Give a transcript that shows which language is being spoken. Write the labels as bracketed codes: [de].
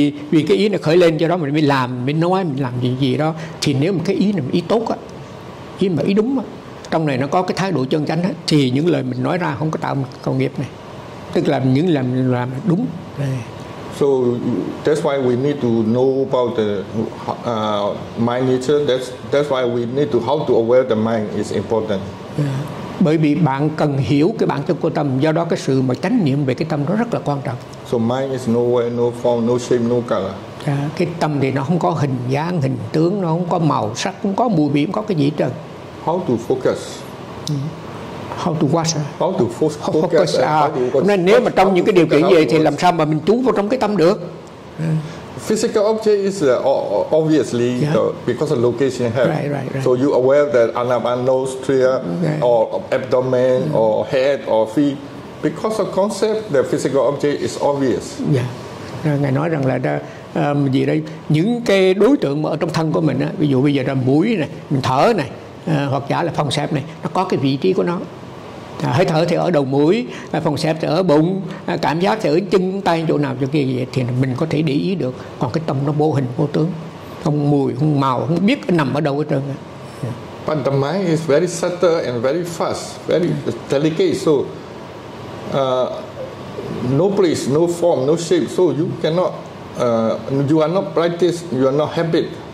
[vi] Vì cái ý nó khởi lên cho đó mình mới làm, mình nói, mình làm gì đó. Thì nếu mà cái ý này ý tốt á, ý mà ý đúng á, trong này nó có cái thái độ chân chánh á, thì những lời mình nói ra không có tạo công nghiệp này. Tức là những làm đúng. [en] So that's why we need to know about the mind nature. That's why we need to how to aware the mind is important. [vi] Bởi vì bạn cần hiểu cái bản chất của tâm, do đó cái sự mà chánh niệm về cái tâm nó rất là quan trọng. [en] So mind is no way, no form, no shape, no color. [vi] Cái tâm thì nó không có hình dáng, hình tướng, nó không có màu sắc, không có mùi vị, không có cái gì trơn. [en] How to focus? How to watch? How to focus? [vi] Nên nếu mà trong những cái điều kiện gì thì làm sao mà mình chú vào trong cái tâm được? [en] Physical object is obviously because of location here. Right. So you aware that anapana, nose, tria, or abdomen, or head, or feet, because of concept, the physical object is obvious. Yeah. [vi] Ngài nói rằng là gì đây? Những cái đối tượng mà ở trong thân của mình á, ví dụ bây giờ là mũi này, mình thở này. hoặc giả là phòng xẹp này, nó có cái vị trí của nó. Hơi thở thì ở đầu mũi, phòng xẹp thì ở bụng, cảm giác thì ở chân tay chỗ nào chỗ kia vậy, thì mình có thể để ý được. Còn cái tâm nó vô hình vô tướng, không mùi không màu, không biết nằm ở đâu hết trơn. [en] But the mind is very subtle and very fast, very delicate. So no place, no form, no shape. So you cannot, you are not practiced, you are not habit.